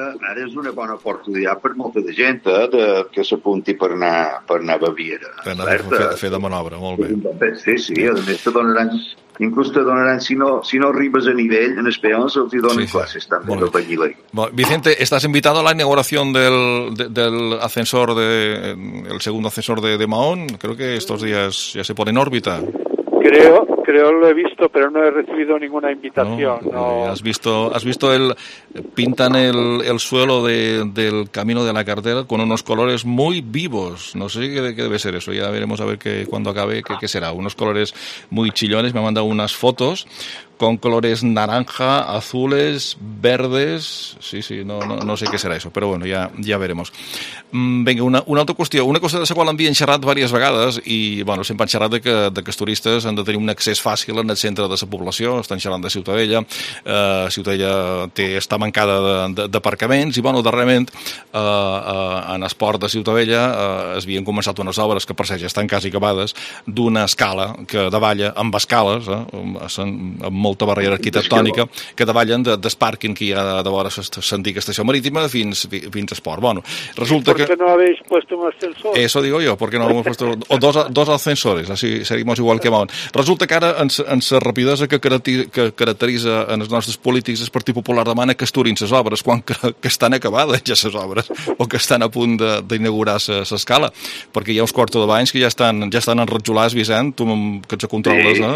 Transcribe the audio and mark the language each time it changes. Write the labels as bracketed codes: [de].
[ca] Ara és una bona oportunitat per molta de gent que s'apunti per anar a Baviera. Fer de manobra, molt bé. Sí, a més te donaran, si no arribes a nivell, en els peons els donen classes també de Baviera. [es] Vicente, estàs invitado a la inauguración del ascensor, el segundo ascensor de Mahón. Creo que estos días ya se pone en órbita. Creo lo he visto, pero no he recibido ninguna invitación. No. ¿Has visto el pintan el suelo del camino de la cartera con unos colores muy vivos? No sé qué debe ser eso. Ya veremos a ver qué cuando acabe qué será. Unos colores muy chillones. Me ha mandado unas fotos con colores naranja, azules, verdes. Sí, no sé qué será eso, pero bueno, ya veremos. [ca] Venga, una altra qüestió. Una cosa de la qual havien xerrat diverses vegades i, bueno, sempre han xerrat que els turistes han de tenir un accés fàcil en el centre de la població. Estan xerrant de Ciutadella. Ciutadella està mancada d'aparcaments i, bueno, darrerament en el port de Ciutadella es havien començat unes obres que, per cert, ja estan quasi acabades, d'una escala que davalla amb escales, amb molta barrera arquitectònica, que davallen del pàrquing que hi ha de vora l'antiga estació marítima fins a esport. Bueno, resulta [es] ¿Por qué no habéis puesto un ascensor? Eso digo yo, porque no hemos puesto dos ascensores, así seguimos igual que Mahón. [ca] Resulta que ara, en la rapidesa que caracteritza en els nostres polítics, el Partit Popular demana que esturin les obres quan que estan acabades ja les obres o que estan a punt d'inaugurar l'escala, perquè hi ha uns quartos de banys que ja estan enrotjolats, Vicent, tu que ets a controles, sí.